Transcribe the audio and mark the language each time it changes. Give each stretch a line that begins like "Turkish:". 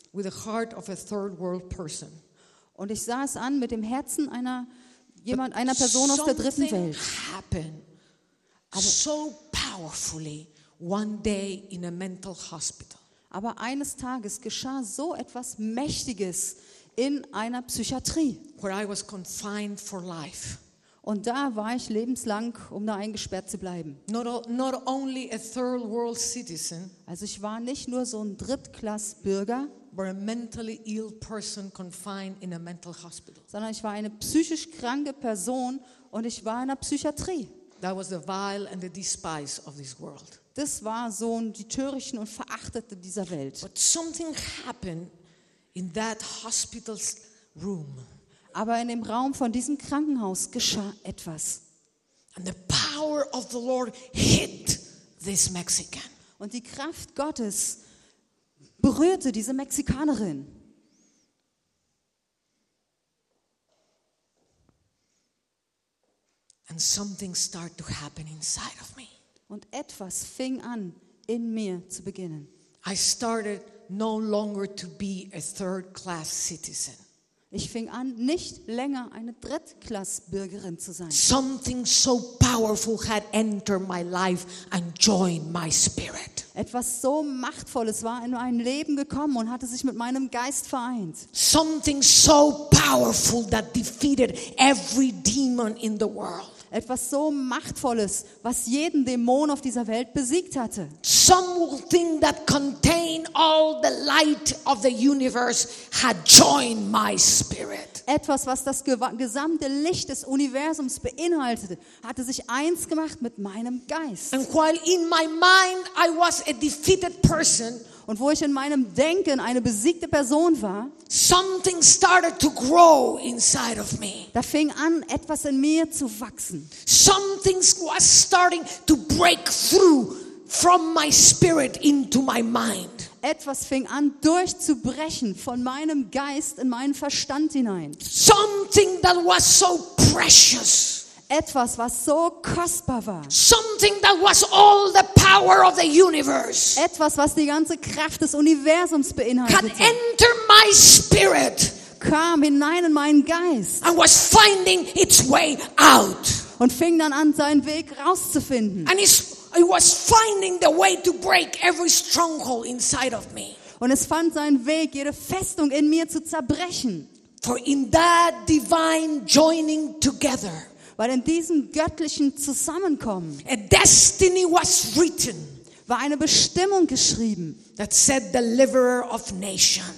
English: with the heart of a third world person.
German: Und ich sah es an mit dem Herzen einer Person aus der dritten Welt.
English: Something happened so powerfully one day in a mental hospital.
German: Aber eines Tages geschah so etwas Mächtiges in einer Psychiatrie,
English: where I was confined for life.
German: Und da war ich lebenslang, um da eingesperrt zu bleiben.
English: Not only a third world citizen,
German: also ich war nicht nur so ein Drittklassbürger,
English: but a mentally ill person confined in a mental hospital.
German: Sondern ich war eine psychisch kranke Person und ich war in einer Psychiatrie.
English: That was the vile and the despise of this world.
German: Das war so die Törichten und Verachteten dieser Welt.
English: But something happened in that hospital's room.
German: Aber in dem Raum von diesem Krankenhaus geschah etwas.
English: And the power of the Lord hit this Mexican.
German: Und die Kraft Gottes berührte diese Mexikanerin.
English: And something started to happen inside of me.
German: Und etwas fing an, in mir zu beginnen.
English: I started no longer to be a third class citizen.
German: Ich fing an, nicht länger eine Drittklassbürgerin zu sein.
English: Something so powerful had entered my life and joined my spirit.
German: Etwas so Machtvolles war in mein Leben gekommen und hatte sich mit meinem Geist vereint.
English: Something so powerful that defeated every demon in the world.
German: Etwas so Machtvolles, was jeden Dämon auf dieser Welt besiegt hatte.
English: Something that contained all the light of the universe had joined my spirit.
German: Etwas, was das gesamte Licht des Universums beinhaltete, hatte sich eins gemacht mit meinem Geist.
English: And while in my mind I was a defeated person,
German: und wo ich in meinem Denken eine besiegte Person war,
English: something started to grow inside of me.
German: Da fing an, etwas in mir zu wachsen.
English: Something was starting to break through from my spirit into my mind.
German: Etwas fing an, durchzubrechen von meinem Geist in meinen Verstand hinein.
English: Something that was so precious.
German: Etwas, was so kostbar war.
English: Something that was all the power of the universe.
German: Etwas, was die ganze Kraft des Universums beinhaltete.
English: Can enter my spirit.
German: Kam hinein in meinen Geist.
English: And was finding its way out.
German: Und fing dann an, seinen Weg rauszufinden.
English: And it was finding the way to break every stronghold inside of me.
German: Und es fand seinen Weg, jede Festung in mir zu zerbrechen.
English: For in that divine joining together.
German: Weil in diesem göttlichen Zusammenkommen,
English: a destiny was written,
German: war eine Bestimmung geschrieben,
English: that said deliverer of nations.